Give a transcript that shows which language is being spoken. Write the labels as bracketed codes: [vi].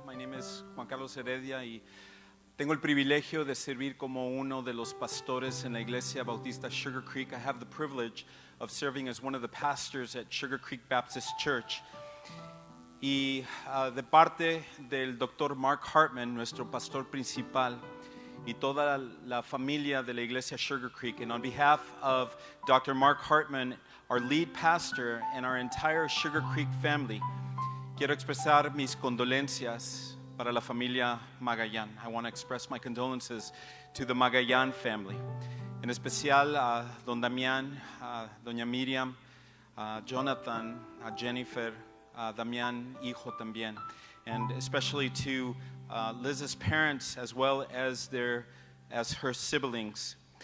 [en] My name is [es] Juan Carlos Heredia y tengo el privilegio de servir como uno de los pastores en la Iglesia Bautista Sugarcreek. [en] I have the privilege of serving as one of the pastors at Sugarcreek Baptist Church. [es] Y de parte del Dr. Mark Hartman, nuestro pastor principal, y toda la familia de la Iglesia Sugarcreek, [en] and on behalf of Dr. Mark Hartman, our lead pastor, and our entire Sugar Creek family, [es] quiero expresar mis condolencias para la familia Magallan. [en] I want to express my condolences to the Magallan family. [es] En especial a Don Damian, Doña Miriam, Jonathan, Jennifer, Damian, hijo también. [en] And especially to Liz's parents, as well as her siblings.